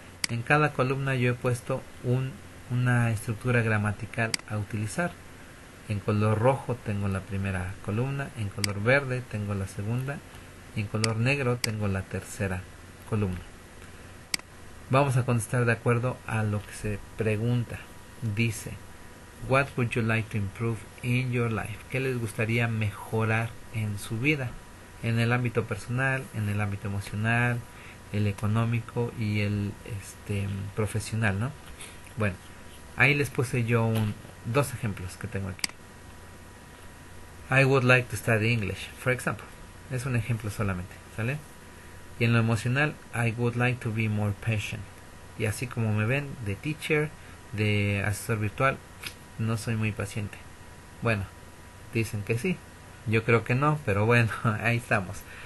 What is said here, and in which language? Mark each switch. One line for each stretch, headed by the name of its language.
Spanish: En cada columna yo he puesto una estructura gramatical a utilizar. En color rojo tengo la primera columna, en color verde tengo la segunda y en color negro tengo la tercera columna. Vamos a contestar de acuerdo a lo que se pregunta. Dice,
English: what would you like to improve in your life?
Spanish: ¿Qué les gustaría mejorar en su vida? En el ámbito personal, en el ámbito emocional, el económico y el profesional, ¿no? Bueno, ahí les puse yo 2 ejemplos que tengo aquí.
English: I would like to study English, for example.
Spanish: Es un ejemplo solamente, ¿sale? Y en lo emocional,
English: I would like to be more patient.
Spanish: Y así como me ven, de teacher, de asesor virtual, no soy muy paciente. Bueno, dicen que sí. Yo creo que no, pero bueno, ahí estamos.